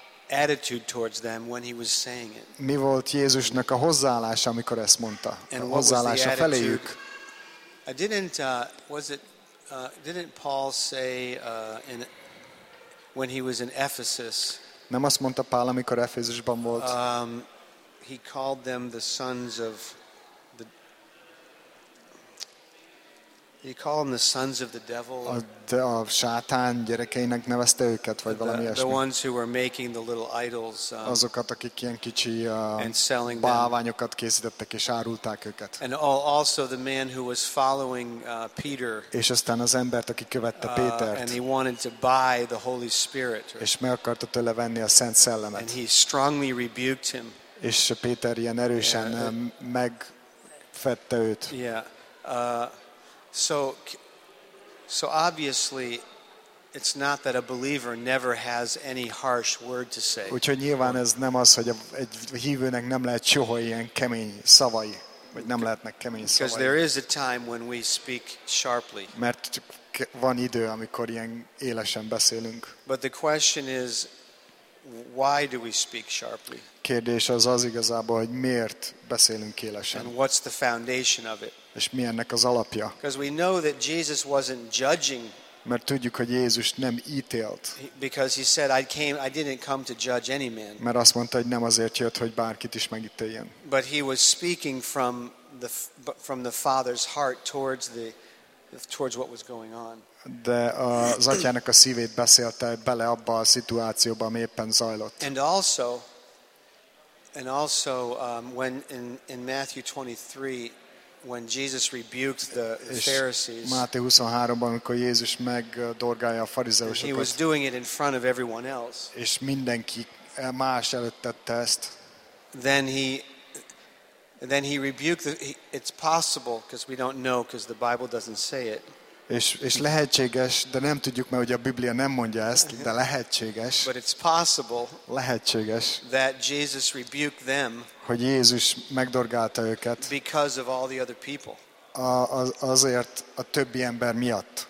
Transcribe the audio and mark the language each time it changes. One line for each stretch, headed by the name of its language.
English: attitude towards them when he was saying it?
Hungarian: Mi volt Jézusnak a hozzáállása, amikor ezt mondta?
English: And
Hungarian: a hozzáállása
English: what was the
Hungarian: feléjük?
English: Didn't Paul say in when he was in Ephesus?
Hungarian: Nem azt mondta Pál, amikor Efézusban volt?
English: He called them the sons of the. He called them the sons of the devil.
Hungarian: A sátán gyerekeinek nevezte őket, vagy valami ilyesmi.
English: The ones who were making the little idols.
Hungarian: Azokat, akik ilyen kicsi báványokat készítettek és árulták őket.
English: And also the man who was following Peter.
Hungarian: És aztán az embert, aki követte Pétert.
English: And he wanted to buy the Holy Spirit.
Hungarian: És meg akarta tőle venni a Szent Szellemet.
English: And he strongly rebuked him.
Hungarian: És Péter ilyen erősen megfette őt.
English: Yeah. So obviously it's not that a believer never has any harsh word to say.
Hungarian: Úgyhogy nyilván ez nem az, hogy egy hívőnek nem lehet soha ilyen kemény szavai, vagy nem lehetnek kemény szavai.
English: Because there is a time when we speak sharply.
Hungarian: Mert van idő, amikor ilyen élesen beszélünk.
English: But the question is, why do we speak sharply?
Hungarian: Kérdés az az igazából, hogy miért beszélünk élesen.
English: And what's the foundation of it?
Hungarian: És mi ennek az alapja?
English: Because we know that Jesus wasn't judging.
Hungarian: Mert tudjuk, hogy Jézus nem ítélt.
English: Because he said, I didn't come to judge any man.
Hungarian: Mert azt mondta, hogy nem azért jött, hogy bárkit is megítéljen.
English: But he was speaking from the Father's heart towards what was going on.
Hungarian: De az atyának a szívét beszélte bele abba a szituációba, ami éppen zajlott.
English: And also when in Matthew 23 when Jesus rebuked the Pharisees.
Hungarian: Máté 23-ban, amikor Jézus megdorgálja a farizeusokat.
English: He was doing it in front of everyone else.
Hungarian: És mindenki más előtt tette ezt.
English: Then he rebuked it's possible because we don't know because the Bible doesn't say it.
Hungarian: És lehetséges, de nem tudjuk, mert ugye a Biblia nem mondja ezt, de lehetséges.
English: But it's possible.
Hungarian: Lehetséges.
English: That Jesus rebuked them.
Hungarian: Hogy Jézus megdorgálta őket.
English: Because of all the other people.
Hungarian: Azért a többi ember miatt.